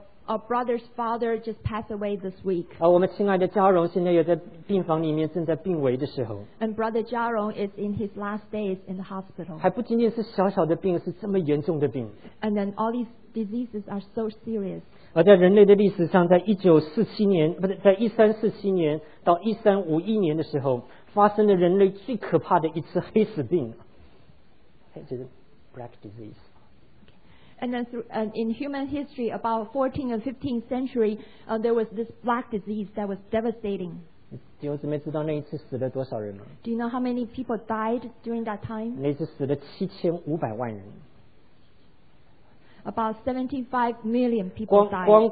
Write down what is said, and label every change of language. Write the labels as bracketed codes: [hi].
[en] Our brother's father just passed away this week. [zh] 我们亲爱的嘉荣现在也在病房里面，正在病危的时候。 [en] And brother Jiarong is in his last days in the hospital. [zh] 还不仅仅是小小的病，是这么严重的病。 [en] And then all these diseases are so serious. [zh] 而在人类的历史上，在1347年，不是在1341年到1351年的时候，发生了人类最可怕的一次黑死病，就是 [en] black disease。 And then through, and in human history, about 14th and 15th century, there was this black disease that was devastating. [zh] 弟兄姊妹知道那一次死了多少人吗？ [en] Do you know how many people died during that time? [zh] 那次死了7500万人。 [en] About 75 million people died.